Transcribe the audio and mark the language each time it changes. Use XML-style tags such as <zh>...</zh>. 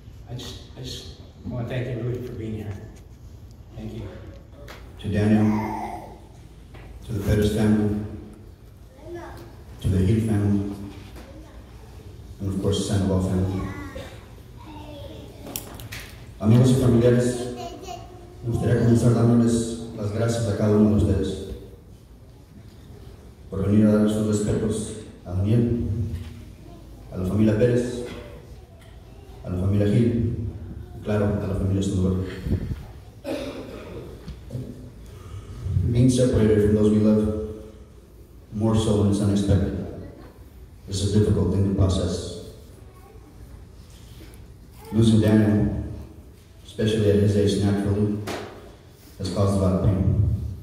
<en>I just want to thank everybody for being here. Thank you. To Daniel, to the Perez family, to the Hill family, and of course, Sandoval family.</en> <es>Amigos y familiares, me gustaría comenzar dándoles las gracias a cada uno de ustedes por venir a dar sus respetos a Daniel, a la familia Pérez, a la familia Gil, y claro, a la familia Sandoval.</es> <en>Being separated from those we love, more so when it's unexpected, is a difficult thing to process. Losing Daniel, especially at his age naturally, has caused a lot of pain.</en>